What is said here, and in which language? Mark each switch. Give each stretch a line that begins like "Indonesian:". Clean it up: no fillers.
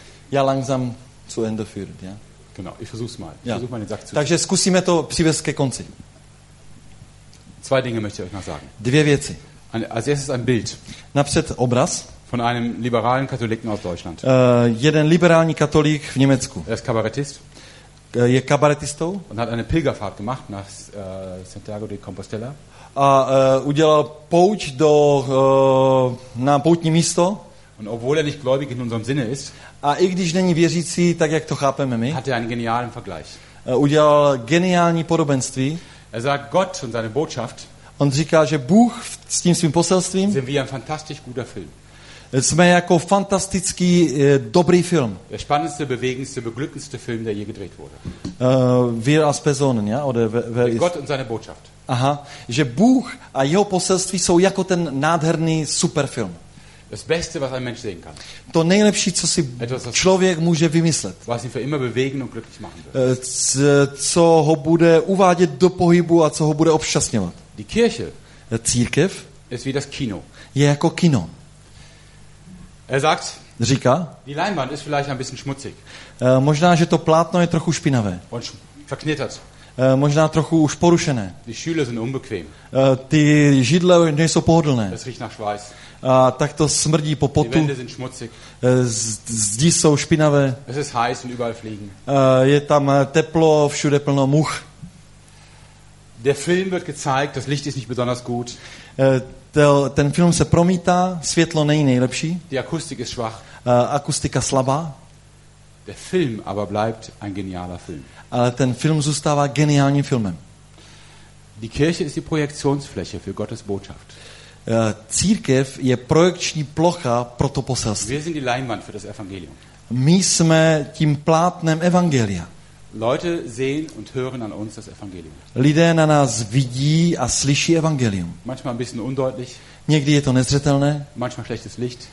German: Ja, langsam zu Ende führt, ja. Genau, ich versuch's mal. Ja. Versuch mal den Sack zu.
Czech: Takže zkusíme to přivést ke konci.
German: Zwei Dinge möchte ich euch noch sagen.
Czech: Dvě věci.
German: Als erstes ein Bild.
Czech: Napřed obraz.
German: Von einem liberalen Katholiken aus Deutschland.
Czech: Jeden liberální katolík v Německu.
German: Er ist Kabarettist.
Czech: Je kabaretistou.
German: Und hat eine Pilgerfahrt gemacht nach Santiago de Compostela.
Czech: A udělal pouť do na poutní místo.
German: Und obwohl er nicht gläubig in unserem Sinne ist,
Czech: a i když není věřící, tak jak to chápeme my,
German: hat er einen genialen Vergleich.
Czech: Udělal geniální podobenství.
German: Er sagt Gott und seine Botschaft.
Czech: On říká, že Bůh s tím svým poselstvím.
German: Sind wie ein fantastisch guter Film.
Czech: Jsme jako fantastický dobrý film.
German: Der spannendste, bewegendste, beglückendste Film, der je gedreht wurde. Wir als Personen, ja? Oder wer ist? Gott und seine Botschaft.
Czech: Aha, že Bůh a jeho poselství jsou jako ten nádherný superfilm.
German: Das Beste, was ein Mensch sehen kann.
Czech: To nejlepší, co si člověk může vymyslet.
German: Was ihn für immer bewegen und glücklich machen wird.
Czech: Co ho bude uvádět do pohybu a co ho bude obšťastňovat.
German: Die Kirche.
Czech: Církev.
German: Ist wie das Kino.
Czech: Je jako kino.
German: Er sagt,
Czech: říká,
German: die Leinwand ist vielleicht ein bisschen schmutzig.
Czech: Možná, že to plátno je trochu špinavé.
German: Und verknittert.
Czech: Možná trochu už porušené.
German: Die Stühle sind unbequem.
Czech: Ty židle nejsou pohodlné.
German: Es riecht nach Schweiß.
Czech: Tak to smrdí po potu.
German: Die Wände sind schmutzig.
Czech: Zdi jsou špinavé.
German: Es ist heiß und überall fliegen.
Czech: Je tam teplo, všude plno much.
German: Der Film wird gezeigt, das Licht ist nicht besonders gut.
Czech: Ten film se promítá, světlo není nejlepší.
German: Die Akustik ist schwach.
Czech: Akustika slabá.
German: Der Film aber bleibt ein genialer Film.
Czech: Ale ten film zůstává geniálním filmem.
German: Die Kirche ist die Projektionsfläche für Gottes Botschaft.
Czech: Církev je projekční plocha pro to poselství.
German: Wir sind die Leinwand für das Evangelium.
Czech: My jsme tím plátnem evangelia.
German: Leute sehen und hören an uns das Evangelium.
Czech: Lidé na nás vidí a slyší evangelium.
German: Manchmal ein bisschen undeutlich.
Czech: Někdy je to nezřetelné.
German: Manchmal schlechtes Licht.